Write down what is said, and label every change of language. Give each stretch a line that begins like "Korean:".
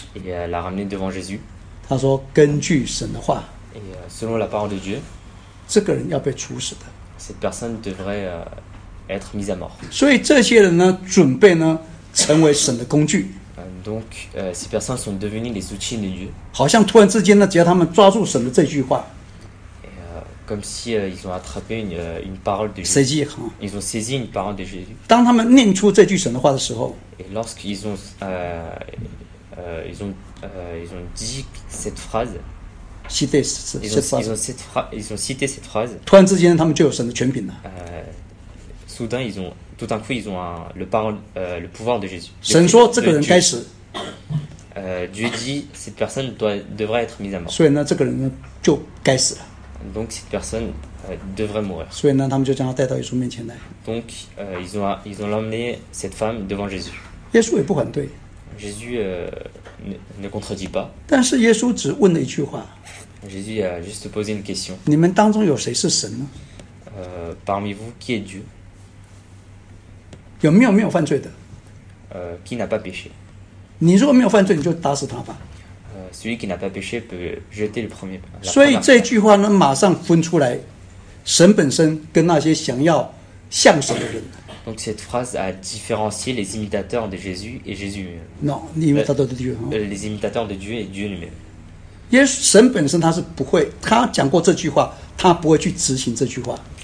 French: Et l'a ramenée devant Jésus.
Chinese: 他说, 根据神的话,
French: Et selon la parole de Dieu,
Chinese: 这个人要被处死的。
French: Cette personne devrait être mise à mort.
Chinese: 所以这些人呢, 准备呢, 成为神的工具。
French: Donc, ces personnes sont devenues les outils de Dieu.
Chinese: 好像突然之间呢, 只要他们抓住神的这句话,
French: comme si ils ont attrapé une parole de Jésus.
Chinese: 谁记得,
French: ils ont saisi une parole de Jésus.
Chinese: 当他们念出这句神的话的时候,
French: et lorsqu'ils ont, ils ont dit cette phrase, ils ont cité cette phrase,
Chinese: 突然之间, 他们就有神的权柄了。
French: Soudain, ils ont, tout d'un coup, ils ont le pouvoir de Jésus.
Chinese: 神说,
French: de Dieu. Dieu dit, cette personne devrait être mise à mort.
Chinese: 所以呢, 这个人呢,
French: Donc, cette personne devrait mourir.
Chinese: 所以呢,
French: Donc, ils ont emmené cette femme devant Jésus.
Chinese: 耶稣也不反对,
French: Jésus ne contredit pas.
Chinese: 但是耶稣只问了一句话,
French: Jésus a juste posé une question.
Chinese: 你们当中有谁是神呢?
French: Parmi vous, qui est Dieu?
Chinese: 有没有犯罪的?
French: Qui n'a pas péché?
Chinese: 你如果没有犯罪, 你就打死他吧。
French: Celui qui n'a pas péché peut jeter le premier.
Chinese: 所以这句话呢, 马上分出来, 神本身跟那些想要像神的人。
French: Donc cette phrase a différencié les imitateurs de Jésus et Jésus lui-même. Non, les imitateurs de Dieu. Les imitateurs de Dieu et Dieu lui-même.
Chinese: 神本身他是不会, 他讲过这句话, 他不会去执行这句话。